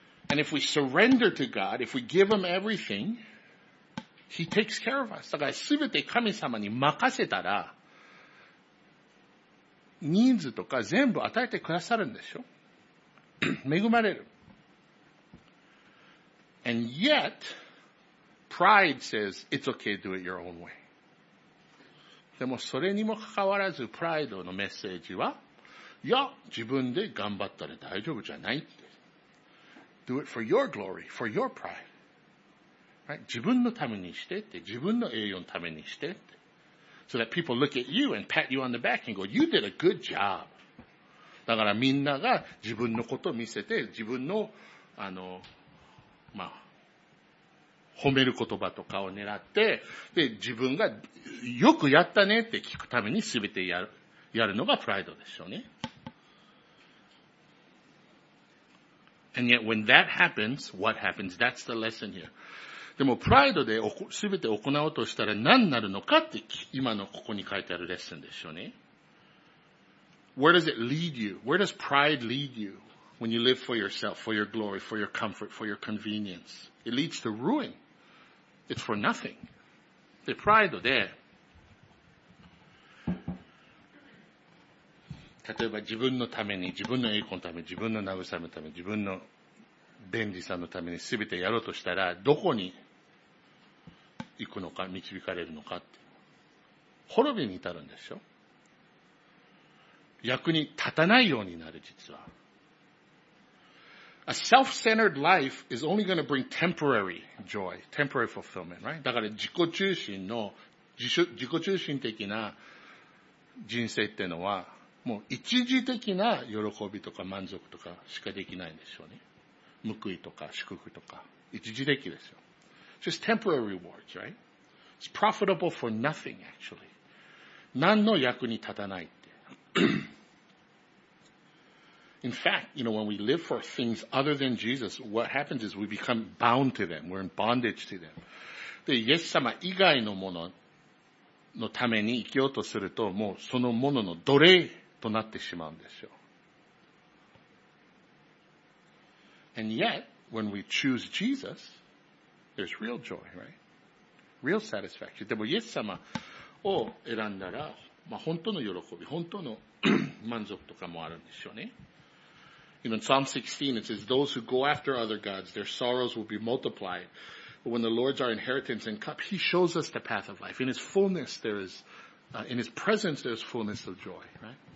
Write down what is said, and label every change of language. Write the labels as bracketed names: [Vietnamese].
[English] And if we surrender to God, if we give him everything, he takes care of us. [Japanese] だから全て神様に任せたら、人数とか全部与えてくださるんでしょ。恵まれる。 [English] And yet, pride says, it's okay to do it your own way. [Japanese] でもそれにもかかわらず、プライドのメッセージは、いや、自分で頑張ったら大丈夫じゃないって。 [English] Do it for your glory, for your pride. Right? [Japanese] 自分のためにしてって、自分の栄誉のためにしてって。 [English] So that people look at you and pat you on the back and go, you did a good job. [Japanese] だからみんなが自分のことを見せて、自分の、褒める言葉とかを狙って、で、自分がよくやったねって聞くためにすべてやるのがプライドでしょうね。 [English] And yet when that happens, what happens? That's the lesson here. [Japanese] でも、プライドで全て行おうとしたら何になるのかって、今のここに書いてあるレッスンでしょうね。 [English] Where does it lead you? Where does pride lead you when you live for yourself, for your glory, for your comfort, for your convenience? It leads to ruin. It's for nothing. [Japanese] で、プライドで、例えば自分のために、自分の栄光のために、自分の慰めのために、自分の便利さのために全てやろうとしたら、どこに、行くのか、導かれるのかって。滅びに至るんでしょ？役に立たないようになる、実は。 [English] A self-centered life is only going to bring temporary joy, temporary fulfillment, right? [Japanese] だから自己中心の、自己中心的な人生っていうのは、もう一時的な喜びとか満足とかしかできないんでしょうね。報いとか祝福とか、一時的ですよ。 [English] Just temporary rewards, right? It's profitable for nothing, actually. [Japanese] 何の役に立たないって。 [English] In fact, you know, when we live for things other than Jesus, what happens is we become bound to them. We're in bondage to them. [Japanese] で、イエス様以外のもののために生きようとすると、もうそのものの奴隷となってしまうんですよ。 [English] And yet, when we choose Jesus,There's real joy, right? Real satisfaction. [Japanese] でも、イエス様を選んだら、本当の喜び、本当の満足とかもあるんでしょうね。 [English] You know, in Psalm 16, it says, Those who go after other gods, their sorrows will be multiplied. But when the Lord's our inheritance and cup, He shows us the path of life. In His fullness, there is, in His presence, there is fullness of joy, right?